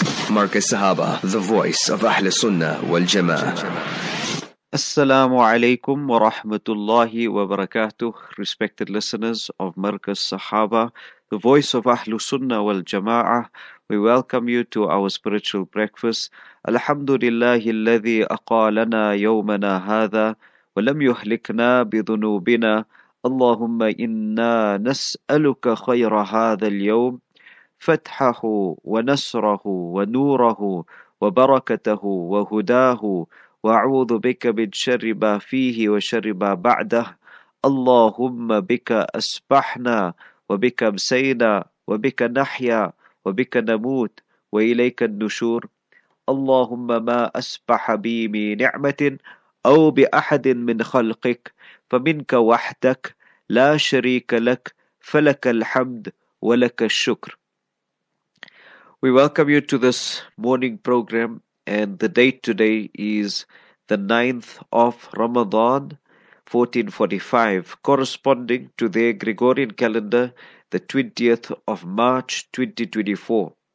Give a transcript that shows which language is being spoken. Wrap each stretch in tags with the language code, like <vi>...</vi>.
<ar>مارك السهابة،</ar> <en>The Voice of</en> <ar>أهل السنة والجماعة. السلام عليكم ورحمة الله وبركاته.</ar> <en>Respected listeners of مارك السهابة, The Voice of أهل السنة والجماعة, we welcome you to our spiritual breakfast.</en> <ar>الحمد لله الذي أقالنا يومنا هذا ولم يهلكنا بذنوبنا. اللهم إنا نسألك خير هذا اليوم, فتحه ونصره ونوره وبركته وهداه, وأعوذ بك من شر ما فيه وشر ما بعده. اللهم بك أصبحنا وبك أمسينا وبك نحيا وبك نموت وإليك النشور. اللهم ما أصبح بي من نعمة أو بأحد من خلقك فمنك وحدك لا شريك لك, فلك الحمد ولك الشكر.</ar> <en>We welcome you to this morning program, and the date today is the 9th of Ramadan 1445, corresponding to their Gregorian calendar, the 20th of March 2024.</en>